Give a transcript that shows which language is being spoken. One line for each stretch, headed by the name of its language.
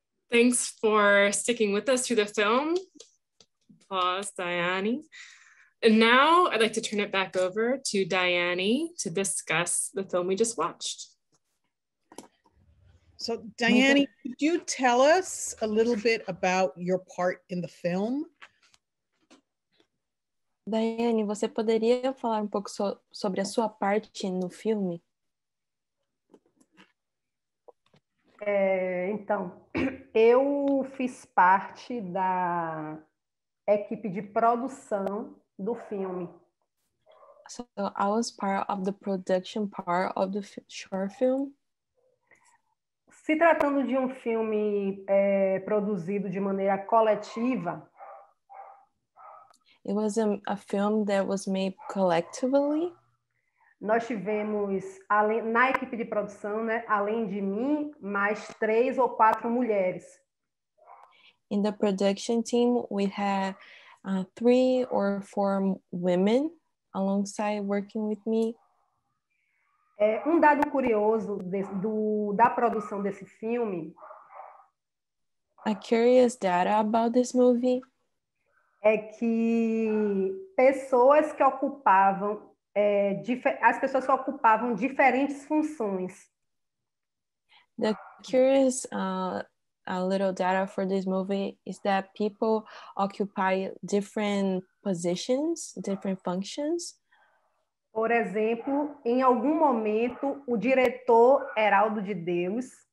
English: Thanks for sticking with us through the film. Applause, Diane. And now I'd like to turn it back over to Diane to discuss the film we just watched. So Diane, could you tell us a little bit about your part in the film?
Portuguese: Diane, você poderia falar um pouco sobre a sua parte no filme? Então, eu fiz parte da equipe de produção do filme.
English: So I was part of the production part of the short film.
Portuguese: Se tratando de um filme produzido de maneira coletiva,
English: it was a film that was made collectively.
Portuguese: Nós tivemos, além, na equipe de produção, né, além de mim, mais 3 ou 4 mulheres.
English: In the production team, we had 3 or 4 women alongside working with me.
Portuguese: Um dado curioso da produção desse filme.
English: A curious data about this movie.
Portuguese: É que pessoas que ocupavam... as pessoas que ocupavam diferentes funções.
English: The curious little data for this movie is that people occupy different positions, different functions.
Portuguese: Por exemplo, em algum momento, o diretor Heraldo de Deus.